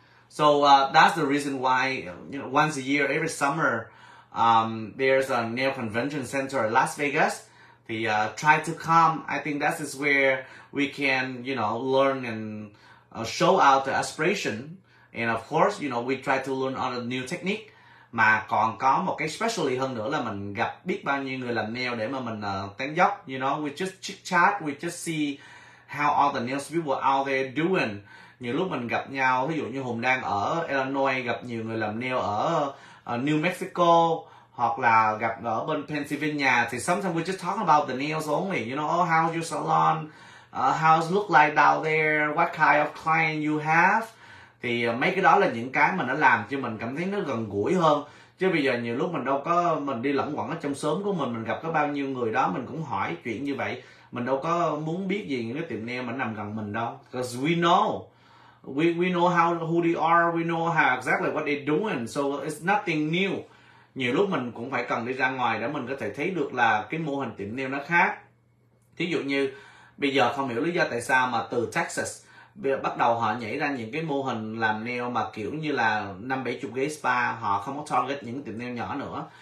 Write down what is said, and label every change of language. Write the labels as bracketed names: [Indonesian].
[English] So that's the reason why, you know, once a year, every summer, there's a nail convention center in Las Vegas. The try to come. I think that is where we can, you know, learn and show out the aspiration. And of course, you know, we try to learn all the new technique. [Vietnamese] Mà còn có một cái specialty hơn nữa là mình gặp biết bao nhiêu người làm nail để mà mình tán dóc. [English] You know, we just chit chat, we just see how all the nail people out there doing. [Vietnamese] Nhiều lúc mình gặp nhau, ví dụ như Hùng đang ở Illinois, gặp nhiều người làm nail ở New Mexico, hoặc là gặp ở bên Pennsylvania, thì [English] sometimes we just talk about the nails only. You know, oh, how's your salon? How's look like down there? What kind of client you have? [Vietnamese] Thì mấy cái đó là những cái mà nó làm cho mình cảm thấy nó gần gũi hơn. Chứ bây giờ nhiều lúc mình đâu có, mình đi lẩn quẩn ở trong xóm của mình gặp có bao nhiêu người đó, mình cũng hỏi chuyện như vậy. Mình đâu có muốn biết gì những cái tiệm nail mà nằm gần mình đâu. [English] Because we know. We know how who they are, we know how exactly what they're doing, so it's nothing new. [Vietnamese] Nhiều lúc mình cũng phải cần đi ra ngoài để mình có thể thấy được là cái mô hình tiệm nail nó khác. Thí dụ như bây giờ không hiểu lý do tại sao mà từ Texas bắt đầu họ nhảy ra những cái mô hình làm nail mà kiểu như là 5-70 ghế spa, họ không có target những tiệm nail nhỏ nữa.